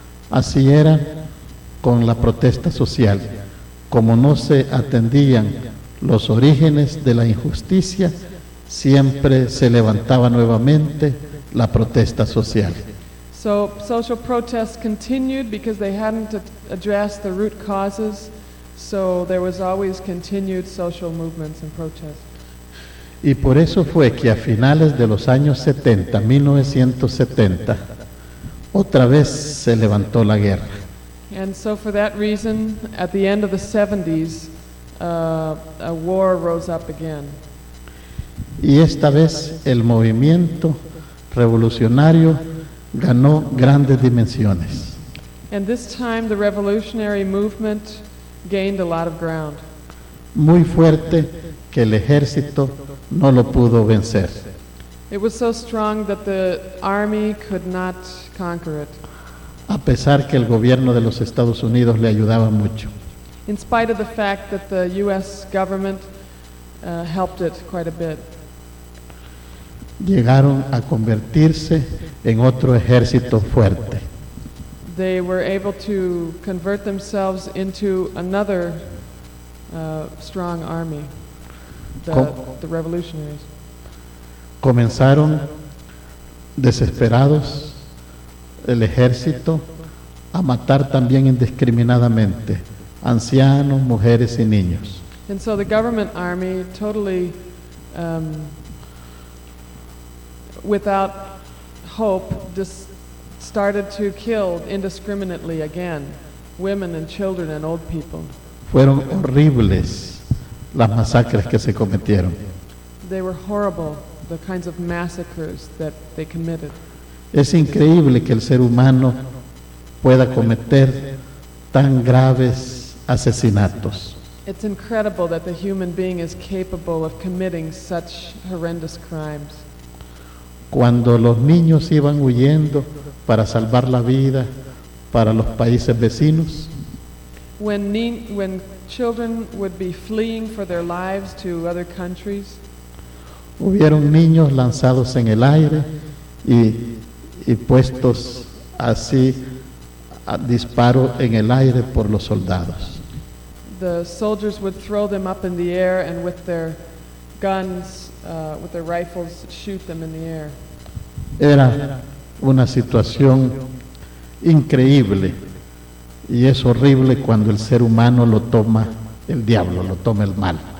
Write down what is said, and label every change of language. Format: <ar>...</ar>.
<es>Así era con la protesta social. Como no se atendían los orígenes de la injusticia, siempre se levantaba nuevamente la protesta social.</es> <en>So social protests continued because they hadn't addressed the root causes, so there was always continued social movements and protests.</en> <es>Y por eso fue que a finales de los años 70, 1970, otra vez se levantó la guerra.</es> <en>And so for that reason, at the end of the 70s, a war rose up again.</en> <es>Y esta vez el movimiento revolucionario ganó grandes dimensiones.</es> <en>And this time the revolutionary movement gained a lot of ground.</en> <es>Muy fuerte que el ejército no lo pudo vencer.</es> <en>It was so strong that the army could not conquer it.</en> <es>A pesar que el gobierno de los Estados Unidos le ayudaba mucho.</es> <en>In spite of the fact that the U.S. government helped it quite a bit.</en> <es>Llegaron a convertirse en otro ejército fuerte.</es> <en>They were able to convert themselves into another strong army, the revolutionaries.</en> <es>Comenzaron desesperados el ejército a matar también indiscriminadamente ancianos, mujeres y niños.</es> <en>And so the government army totally without hope just started to kill indiscriminately again women and children and old people.</en> <es>Fueron horribles las masacres que se cometieron.</es> <en>They were horrible, the kinds of massacres that they committed.</en> <es>Es increíble que el ser humano pueda cometer tan graves asesinatos.</es> <en>It's incredible that the human being is capable of committing such horrendous crimes.</en> <es>Cuando los niños iban huyendo para salvar la vida para los países vecinos.</es> <en>When children would be fleeing for their lives to other countries.</en> <es>Hubieron niños lanzados en el aire y puestos así a disparo en el aire por los soldados.</es> <en>The soldiers would throw them up in the air and with their guns, with their rifles, shoot them in the air.</en> <es>Era una situación increíble y es horrible cuando el ser humano lo toma, el diablo lo toma el mal.</es>